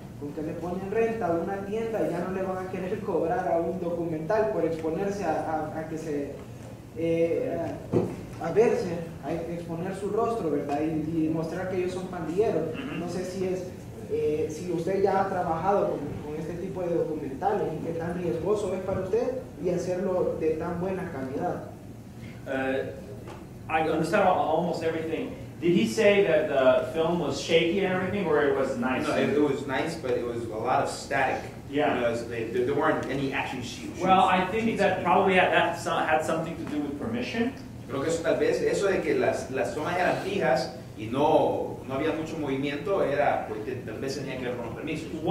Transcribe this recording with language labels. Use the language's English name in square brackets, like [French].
[Spanish] con que le ponen renta a una tienda, ya no le van a querer cobrar a un documental por exponerse a que se a verse, a exponer su rostro, ¿verdad? Y mostrar que ellos son pandilleros. No sé si es si usted ya ha trabajado con este tipo de documentales y qué tan riesgoso es para usted y hacerlo de tan buena calidad. [English] I understand almost everything. Did he say that the film was shaky and everything, or it was nice? No, it was nice, but it was a lot of static. Yeah. Because there weren't any action shoots. Well, I think that probably had something to do with permission. [Spanish] Creo que eso tal vez, eso de que las tomas eran fijas y no había mucho movimiento, era, pues, tal vez tenía que ver con permiso.